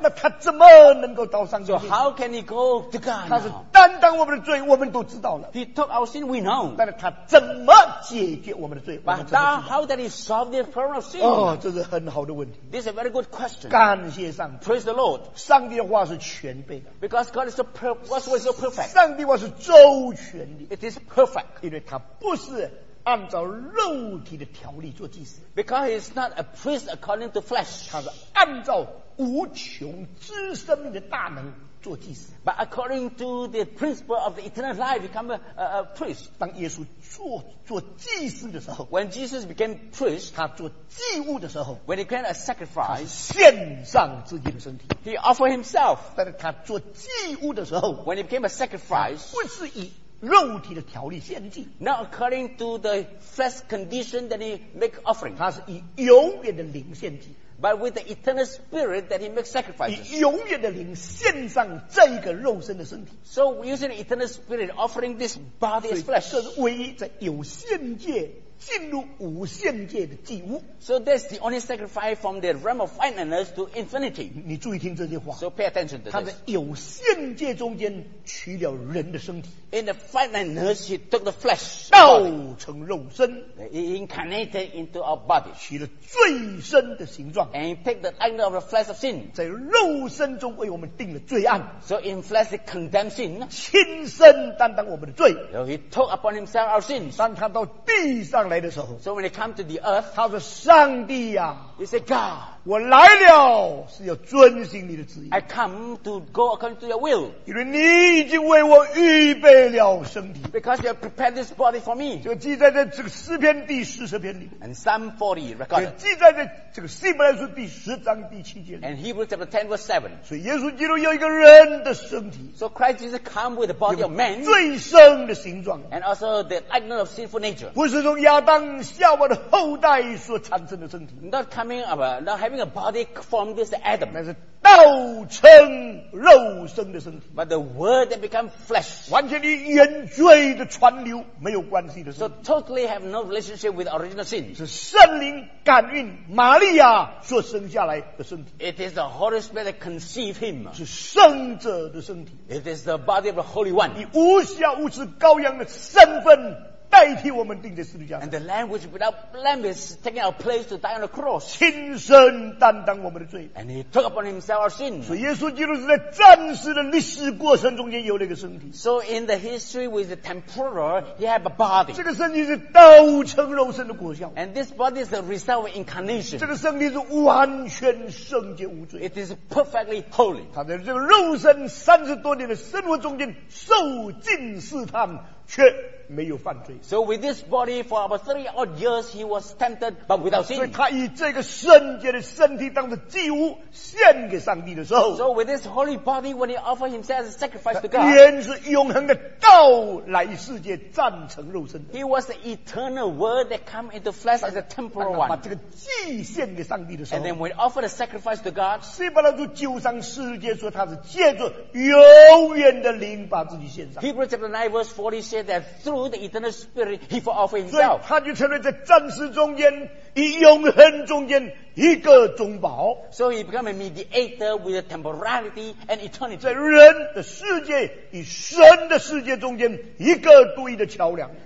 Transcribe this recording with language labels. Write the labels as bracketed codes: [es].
[zh] 那他怎么能够到上帝？ [en] So how can he go to God? [zh] 他是担当我们的罪，我们都知道了。 [en] He took our sin, we know. [zh] 但是他怎么解决我们的罪？ [en] But how did he solve the problem of sin? [zh] 哦，这是很好的问题。 [en] This is a very good question. [zh] 感谢上帝。 [en] Praise the Lord. [zh] 上帝的话是全备的。 [en] Because God is so perfect. [zh] 上帝话是周全的。 [en] It is perfect. [zh] 因为他不是按照肉体的条例做祭司。 [en] Because he is not a priest according to flesh. [zh] 他是按照无穷之生命的大能做祭司。 [en] But according to the principle of the eternal life, become a priest. [zh] 当耶稣做祭司的时候 [en] ，When Jesus became priest， [zh] 他做祭物的时候 [en] ，When he came a sacrifice， [zh] 献上自己的身体 [en] ，He offered himself。 [zh] 但是他做祭物的时候 [en] ，When he became a sacrifice， [zh] 不是以肉体的条例献祭 [en] ，Not according to the flesh condition that he make offering， [zh] 他是以永远的灵献祭。 [en] But with the eternal spirit that he makes sacrifices. [zh] 以永远的灵献上这一个肉身的身体。 [en] So using the eternal spirit offering this body as flesh. [zh] 这是唯一在有限界进入无限界的祭物。 [en] So that's the only sacrifice from the realm of finiteness to infinity. [zh] 你注意听这句话。 [en] So pay attention to this. [zh] 他在有限界中间取了人的身体。 [en] In the finiteness, he took the flesh. [zh] 道成肉身。 [en] He incarnated into our body. [zh] 取了罪身的形状。 [en] And he took the likeness of the flesh of sin. [zh] 在肉身中为我们定了罪案。 [en] So in flesh, he condemned sin. [zh] 亲身担当我们的罪。 [en] So he took upon himself our sins. [zh] 当他到地上来的时候。 [en] So when he came to the earth, [zh] 他说上帝啊。 [en] He said, God, [zh] 我来了是要遵行你的旨意。 [en] I come to go according to your will. [zh] 因为你已经为我预备。 [en] Because you have prepared this body for me. [zh] 就记在这这个诗篇第十四篇里。 [en] And Psalm 40 recorded. [zh] 记在这这个希伯来书第十章第七节里。 [en] And Hebrews chapter 10 verse 7. [zh] 所以耶稣基督有一个人的身体。 [en] So Christ Jesus came with the body of man. [zh] 罪身的形状。 [en] And also the likeness of sinful nature. [zh] 不是从亚当夏娃的后代所产生的身体。 [en] Not coming of a, not having a body formed this Adam. [zh] 那是道成肉身的身体。 [en] But the word that became flesh. [zh] 完全的原罪的传流没有关系的。 [en] So totally have no relationship with original sin. [zh] 是圣灵感孕玛利亚所生下来的身体。 [en] It is the Holy Spirit that conceived him. [zh] 是圣者的身体。 [en] It is the body of the Holy One. [zh] 以无瑕无疵羔羊的身份代替我们钉在十字架上。 [en] And the Lamb which without blame is taking our place to die on the cross. [zh] 亲身担当我们的罪。 [en] And he took upon himself our sin. [zh] 所以耶稣基督是在暂时的历史过程中间有那个身体。 [en] So in the history with the temporal, he had a body. [zh] 这个身体是道成肉身的果效。 [en] And this body is the result of incarnation. [zh] 这个身体是完全圣洁无罪。 [en] It is perfectly holy. [zh] 他在这个肉身三十多年的生活中间受尽试探却没有犯罪。 [en] So with this body for about 30 odd years he was tempted but without sin. [zh] 所以他以这个圣洁的身体当作祭物献给上帝的时候。 [en] So with this holy body when he offered himself as a sacrifice to God. [zh] 原是永恒的道来世界暂成肉身的。 [en] He was the eternal word that came into flesh as a temporal one. [zh] 当他把这个祭献给上帝的时候。 [en] And then when he offered a sacrifice to God. [zh] 希伯来书九章十节说他是借着永远的灵把自己献上。 [en] Hebrews chapter 9 verse 40 said that through the eternal spirit he for offering himself. [zh] 所以他就成为在暂时中间以永恒中间一个中保。 [en] So he became a mediator with a temporality and eternity. [zh] 在人的世界与神的世界中间一个独一的桥梁。